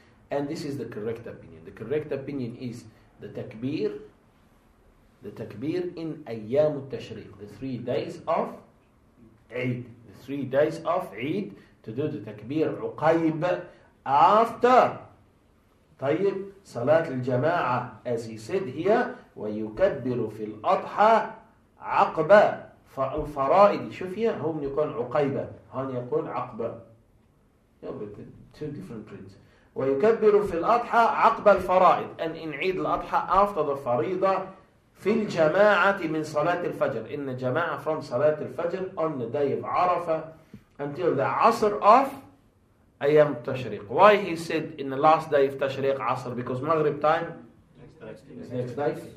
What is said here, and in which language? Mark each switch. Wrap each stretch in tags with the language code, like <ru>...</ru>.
<en>And this is the correct opinion. The correct opinion is the takbir in أيام التشريق, the 3 days of Eid. The 3 days of Eid to do the takbir عُقَيْب after طيب صلاة الجماعة, as he said here,</en> <ar>وَيُكَبِّرُ فِي الْأَضْحَى عَقْبَ فَالْفَرَائِدِ. شوف هنا, هم يقول عقيبة, هون يقول عقبة.</ar> <en>Two different prints.</en> <ar>وَيُكَبِّرُ فِي الْأَضْحَى عَقْبَ الْفَرَائِدِ,</ar> <en>and in</en> <ar>عيد الأضحى after the فريضة, في الجماعة من صلاة الفجر, in the جماعة from صلاة الفجر,</ar> <en>on the day of Arafah until the</en> <ar>عصر of أيام التشريق.</ar> <en>Why he said in the last day of تشريق عصر? Because Maghrib time next day.</en>